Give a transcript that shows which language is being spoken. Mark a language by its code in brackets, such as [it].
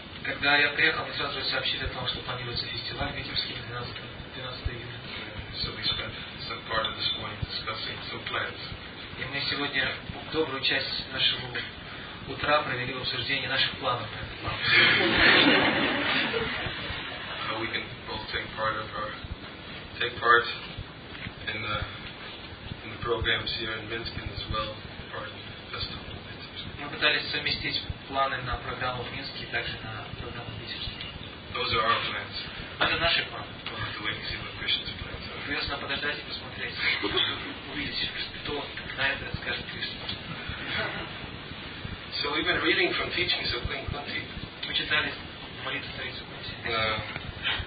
[ru] Когда я приехал, мы сразу же сообщили о том, что планируется фестиваль Витебский 12 июня. [en] So we spent some part of this morning discussing some plans. [ru] И мы сегодня добрую часть нашего утра провели в обсуждении наших планов. [en] How we can both take part. part of our take part in the programs here in Minsk and as well part of the festival. [ru] Мы пытались совместить планы на программу в Минске и также на программу в Витебске. [en] Those are our plans. [ru] Это наши планы. [en] We'll have to wait and see what Christian's plans are. [ru] Интересно подождать и посмотреть. Увидеть, что на это скажет Кришна. [en] So we've been reading from teachings of Queen Kunti. [ru] Мы читали молитву Царицы Кунти.